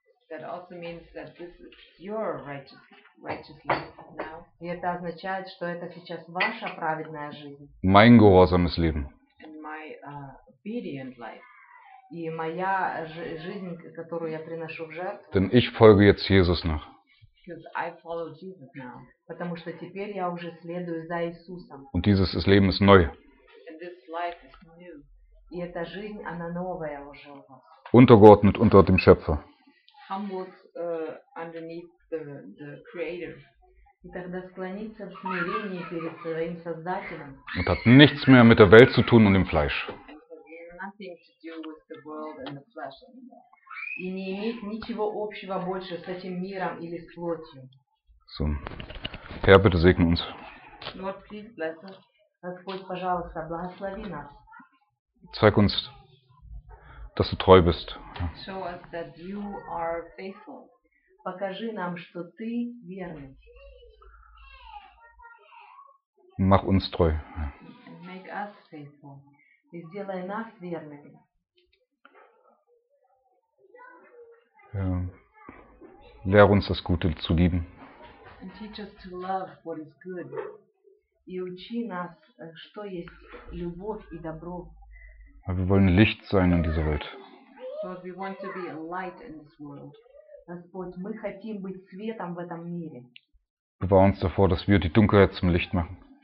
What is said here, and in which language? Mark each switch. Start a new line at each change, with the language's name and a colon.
English: That also means that this is your righteous life now.
Russian: И это означает, что это сейчас ваша праведная жизнь.
German: Mein gehorsames Leben.
English: And my, obedient life.
Russian: И моя жизнь, которую я приношу в жертву.
German: Denn ich folge jetzt Jesus nach.
English: Because I follow Jesus now.
Russian: Потому что теперь я уже следую за Иисусом.
German: Und dieses Leben ist neu.
English: And this life is new.
Russian: И эта жизнь, она новая уже у вас.
German: Untergeordnet unter dem Schöpfer.
English: Humbled underneath the Creator.
Russian: И тогда склониться в смирении перед своим Создателем.
German: Und hat nichts mehr mit der Welt zu tun und dem Fleisch.
English: Nothing to do with the world and the flesh anymore.
Russian: И не имеет ничего общего больше с этим миром или с плотью.
German: So. Herr, bitte segne uns.
English: Lord, please bless us.
Russian: Господь, пожалуйста, благослови нас.
German: Zeig uns, dass du treu bist.
English: Show us that you are faithful.
Russian: Покажи нам, что ты верный.
German: Mach uns treu.
English: And make us faithful.
Russian: И сделай нас верными.
German: Lehr uns das Gute zu lieben.
English: And teach us to love what is good.
Russian: И учи нас, что есть любовь и добро.
German: Aber wir wollen Licht sein in dieser Welt.
English: Lord, we want to be a light in this world.
Russian: Господь, мы хотим быть светом в этом мире.
German: Bewahr uns davor, dass wir die Dunkelheit zum Licht machen.